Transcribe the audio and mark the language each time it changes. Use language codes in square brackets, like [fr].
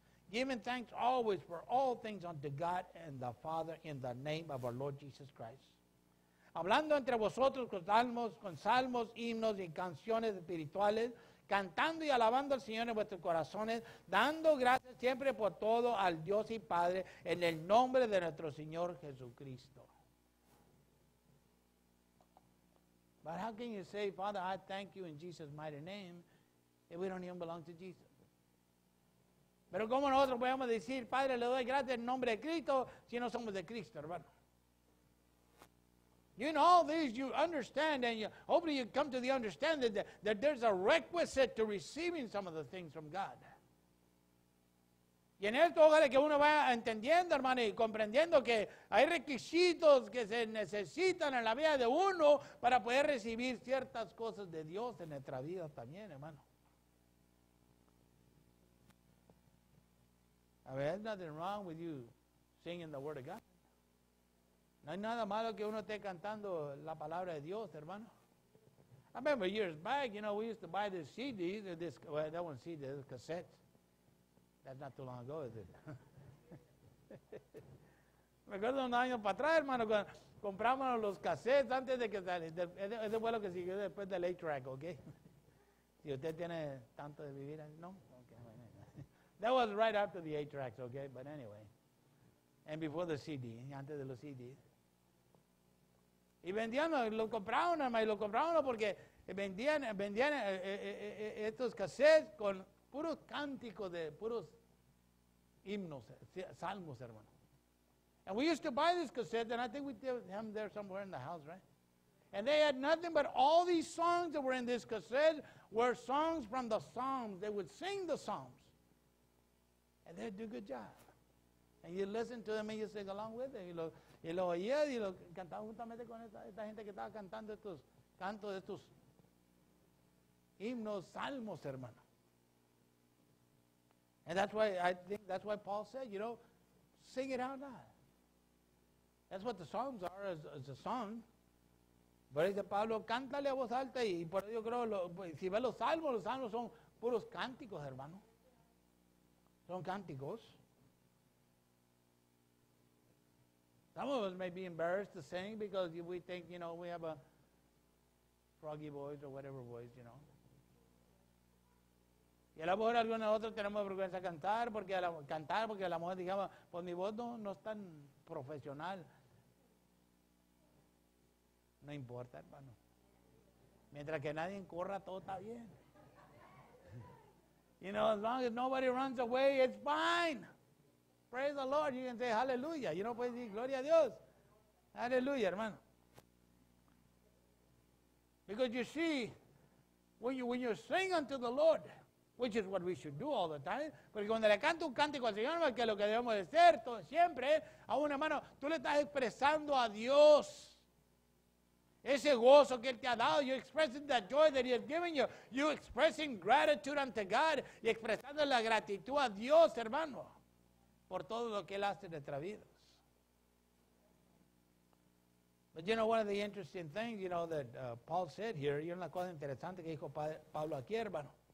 [en] Giving thanks always for all things unto God and the Father in the name of our Lord Jesus Christ. [es] Hablando entre vosotros con salmos, himnos y canciones espirituales, cantando y alabando al Señor en vuestros corazones, dando gracias siempre por todo al Dios y Padre en el nombre de nuestro Señor Jesucristo. [en] But how can you say, Father, I thank you in Jesus' mighty name, if we don't even belong to Jesus? [es] Pero ¿cómo nosotros podemos decir, Padre, le doy gracias en nombre de Cristo, si no somos de Cristo, hermano? [en] You know, all these you understand, and you, hopefully you come to the understanding that there's a requisite to receiving some of the things from God. [es] Y en esto, ojalá que uno vaya entendiendo, hermano, y comprendiendo que hay requisitos que se necesitan en la vida de uno para poder recibir ciertas cosas de Dios en nuestra vida también, hermano. [en] I mean, there's nothing wrong with you singing the word of God. [es] No hay nada malo que uno esté cantando la palabra de Dios, hermano. [en] I remember years back, you know, we used to buy this CD, that one CD, this cassette. That's not too long ago, is it? [es] Me acuerdo un año para atrás, hermano, cuando compramos los cassettes antes de que saliera. Ese fue lo que siguió después del 8-track, ¿ok? Si usted tiene tanto de vivir, ¿no? Okay. [en] That was right after the 8-tracks, ¿ok? But anyway, and before the CD, [es] antes de los CDs. Y vendían, lo compraban, hermano, y lo compraban porque vendían estos cassettes con puros cánticos de puros himnos, salmos, hermano. [en] And we used to buy this cassette, and I think we did them there somewhere in the house, right? And they had nothing but all these songs that were in this cassette were songs from the Psalms. They would sing the Psalms. And they'd do a good job. And you listen to them and you sing along with them. [es] Y lo oía y lo cantaba juntamente con esta gente que estaba cantando estos cantos, estos himnos, salmos, hermano. [en] And that's why I think that's why Paul said, you know, sing it out loud. That's what the Psalms are, as a song. [es] Por eso Pablo, cántale a voz alta. Y por eso yo creo, si ve los salmos son puros cánticos, hermano. Son cánticos. [en] Some of us may be embarrassed to sing because we think, you know, we have a froggy voice or whatever voice, you know. [es] Y a lo mejor algunos de nosotros tenemos vergüenza cantar porque a lo mejor digamos, pues mi voz no es tan profesional. No importa, hermano. Mientras que nadie corra, todo está bien. [en] You know, as long as nobody runs away, it's fine. Praise the Lord. You can say hallelujah. You know, [es] puedes decir gloria a Dios. [en] Hallelujah, hermano. Because you see, when you sing unto the Lord, which is what we should do all the time, [es] porque cuando le canto un cántico al Señor, que es lo que debemos de hacer todo, siempre, a un hermano, tú le estás expresando a Dios ese gozo que Él te ha dado. [en] You're expressing that joy that He has given you. You're expressing gratitude unto God. [es] Y expresando la gratitud a Dios, hermano, por todo lo que Él hace en nuestras vidas. [en] But you know, one of the interesting things, you know, that Paul said here, you know, [es] una cosa interesante que dijo Pablo aquí, hermano.